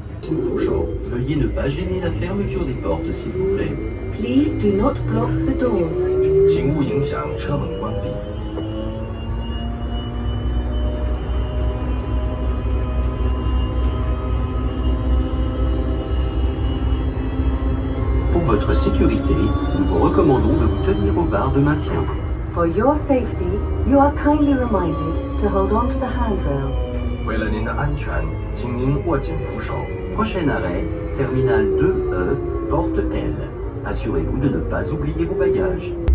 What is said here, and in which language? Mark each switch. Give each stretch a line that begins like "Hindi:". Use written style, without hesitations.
French: Bonjour. Veuillez ne pas gêner la fermeture des portes, s'il vous plaît.
English: Please do not block the doors.
Chinese: 请勿影响车门关闭.
French: Votre sécurité, nous vous recommandons de vous tenir aux barres de maintien.
English: For your safety, you are kindly reminded to hold on to the handrail.
Chinese: 为了您的安全，请您握紧扶手.
French: Prochain arrêt, terminal 2E, porte L. Assurez-vous de ne pas oublier vos bagages.